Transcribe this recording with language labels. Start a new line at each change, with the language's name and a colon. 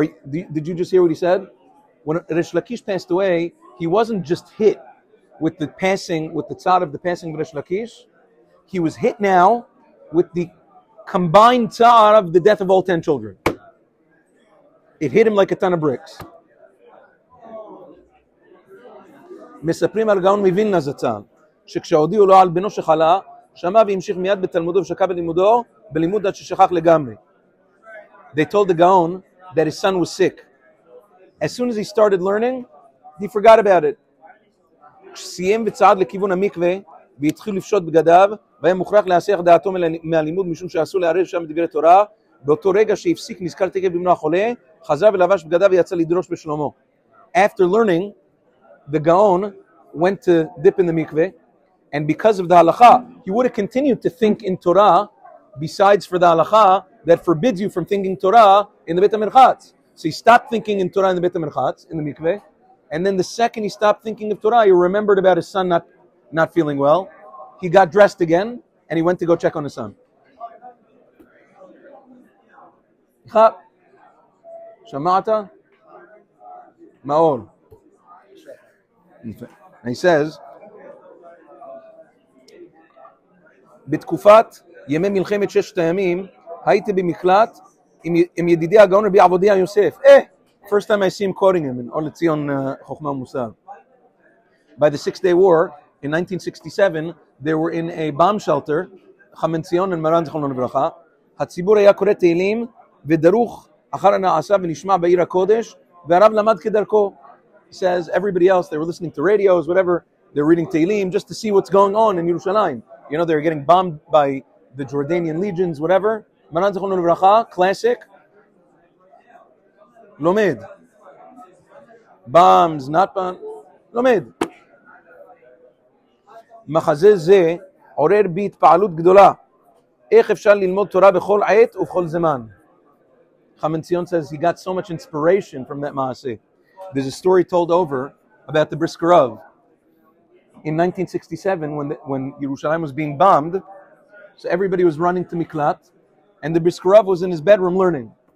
English: Did you just hear what he said? When Rish Lakish passed away, he wasn't just hit with the passing, with the tzar of the passing of Rish Lakish. He was hit now with the combined tzar of the death of all 10 children. It hit him like a ton of bricks.
Hebrew: מספרים על גאון מווילנה זצ"ל, שכשהודיעו לו על בנו שחלה, שמע והמשיך מיד בתלמודו ושקע בלימודו, בלימוד עד ששכח לגמרי.
English: They told the Gaon that his son was sick. As soon as he started learning, he forgot about it.
Hebrew: כשסיים וצעד לכיוון המקווה, והתחיל לפשוט בגדיו, והיה מוכרח להסיח דעתו מהלימוד משום שאסור לערב שם דברי תורה, באותו רגע שהפסיק נזכר תקף בבנו החולה, חזר ולבש בגדיו ויצא לדרוש בשלומו.
English: After learning, the Gaon went to dip in the mikveh, and because of the halakha, he would have continued to think in Torah, besides for the halakha, that forbids you from thinking Torah in the Beit HaMerchatz. So he stopped thinking in Torah in the Beit HaMerchatz, in the mikveh, and then the second he stopped thinking of Torah, he remembered about his son not feeling well. He got dressed again, and he went to go check on his son.
Hebrew: Shamata Maor.
English: And he says,
Hebrew: בתקופת ימי מלחמת ששת הימים, הייתי במקלט עם ידידי הגאון רבי עבודיה יוסף.
English: Eh, first time I see him quoting him in Or Lezion Chochma Musar. By the Six-Day War, in 1967, they were in a bomb shelter, Chamen Tzion and Maran Zichron Lebracha.
Hebrew: הציבור היה קורא תהילים ודרוך אחר הנעשה ונשמע בעיר הקודש, והרב למד כדרכו.
English: He says, everybody else, they were listening to radios, whatever, they're reading תהילים just to see what's going on in Yerushalayim. You know, they're getting bombed by the Jordanian legions, whatever.
Hebrew: מרן זכרונו לברכה, classic.
English: לומד. Bombs, not bombs. לומד.
Hebrew: מחזה זה עורר בי התפעלות גדולה. איך אפשר ללמוד תורה בכל עת ובכל זמן?
English: חמן ציון says he got so much inspiration from that מעשה. There's a story told over about the Brisker Rav. In 1967, when Yerushalayim was being bombed, so everybody was running to Miklat, and the Brisker Rav was in his bedroom learning.